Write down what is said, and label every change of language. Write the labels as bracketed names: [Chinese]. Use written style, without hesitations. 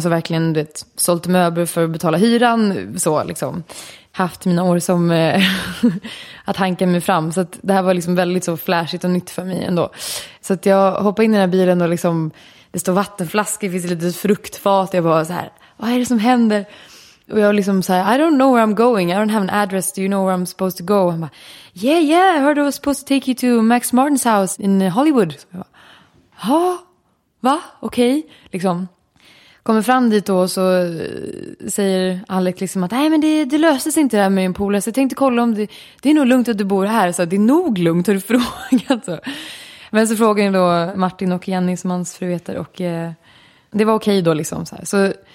[Swedish] Alltså verkligen, du vet, sålt möbler för att betala hyran, så liksom. Haft mina år som att hanka mig fram. Så att det här var liksom väldigt så flashigt och nytt för mig ändå. Så att jag hoppar in i den här bilen och liksom, det står vattenflaskor, det finns lite fruktfat. Jag bara så här, vad är det som händer? Och jag liksom så här, [English] I don't know where I'm going. I don't have an address. Do you know where I'm supposed to go? [Swedish] Han bara, [English] yeah, yeah, I heard I was supposed to take you to Max Martins house in Hollywood. [Swedish] Så jag bara, ja, va? Okej, okay. Liksom. Kommer fram dit då och så säger Alex liksom att nej men det löses inte det här med en polare. Så jag tänkte kolla om det är nog lugnt att du bor här. Så det är nog lugnt, har du frågat. Men så frågar jag då Martin och Jenny som hans fru heter. Och det var okej då liksom. Så